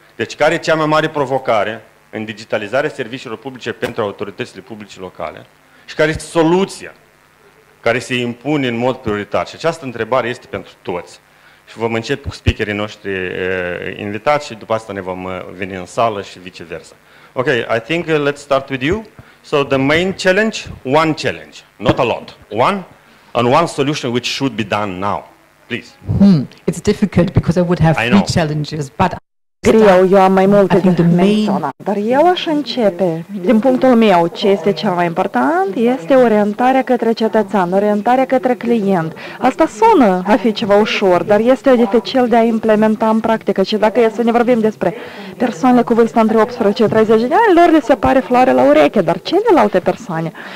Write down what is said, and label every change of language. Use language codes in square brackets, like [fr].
[ro] Deci, care e cea mai mare provocare în digitalizarea serviciilor publice pentru autoritățile publice locale și care este soluția care se impune în mod prioritar? Și această întrebare este pentru toți. Și vom începe cu speakerii noștri invitați și după asta ne vom veni în sală și viceversa. [en] Ok, I think let's start with you. So, the main challenge, one challenge, not a lot. One and one solution which should be done now. It's difficult because I would have three challenges, but [ro] greu, eu am mai multe de menționat, dar eu aș începe. Din punctul meu, ce este cel mai important este orientarea către cetățean, orientarea către client. Asta sună a fi ceva ușor, dar este dificil de a implementa în practică. Și dacă e să ne vorbim despre persoanele cu vârstă între 18 și 30 de ani, lor le se pare floare la ureche, dar celelalte persoane?